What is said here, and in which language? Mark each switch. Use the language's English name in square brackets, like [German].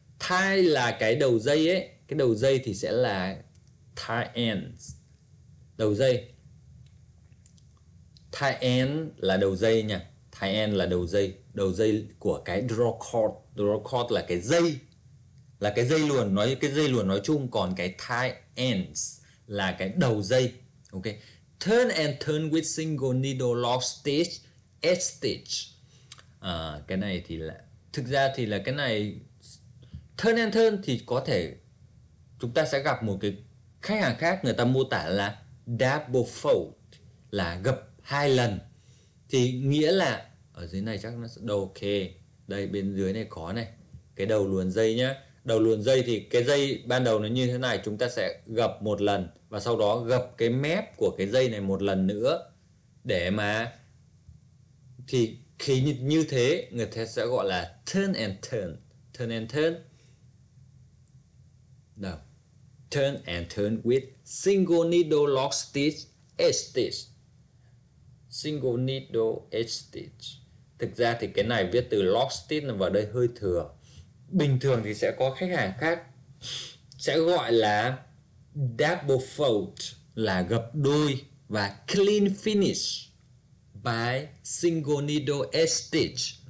[Vietnamese] Tie là cái đầu dây ấy, cái đầu dây thì sẽ là tie end. Đầu dây. Tie end là đầu dây nha. Tie end là đầu dây của cái draw cord. Draw cord là cái dây. Là cái dây luồn nói chung, còn cái tie ends là cái đầu dây. Ok. [English] Turn and turn with single needle lock stitch, S stitch. [Vietnamese] Cái này thì là thực ra thì là cái này turn and turn thì có thể chúng ta sẽ gặp một cái khách hàng khác người ta mô tả là double fold là gập hai lần thì nghĩa là ở dưới này chắc nó sẽ ok. Đây bên dưới này có này cái đầu luồn dây nhá. Đầu luồn dây thì cái dây ban đầu nó như thế này, chúng ta sẽ gập một lần và sau đó gập cái mép của cái dây này một lần nữa để mà thì khi như thế người ta sẽ gọi là turn and turn. [English] Turn and turn. No. Turn and turn with single needle lock stitch S stitch. Single needle S stitch. [Vietnamese] Thực ra thì cái này viết từ lock stitch vào đây hơi thừa. Bình thường thì sẽ có khách hàng khác sẽ gọi là double fold là gập đôi và [English] clean finish by single needle S stitch.